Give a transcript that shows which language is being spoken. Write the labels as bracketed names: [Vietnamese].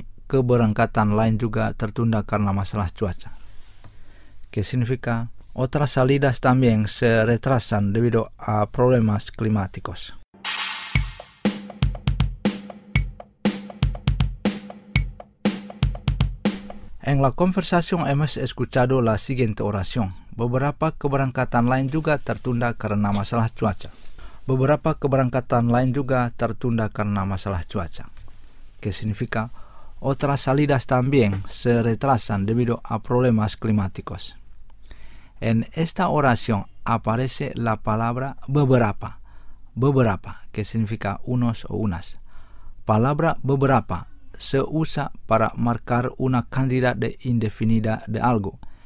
[Indonesian] Keberangkatan lain juga tertunda karena masalah cuaca. [Spanish] Que significa otras salidas también se retrasan debido a problemas climáticos. En la conversación hemos escuchado la siguiente oración. [Indonesian] Beberapa keberangkatan lain juga tertunda karena masalah cuaca. Beberapa keberangkatan lain juga tertunda karena masalah cuaca. [Spanish] Que significa otras salidas también se retrasan debido a problemas climáticos. En esta oración aparece la palabra beberapa. Beberapa, que significa unos o unas. Palabra beberapa se usa para marcar una cantidad indefinida de algo.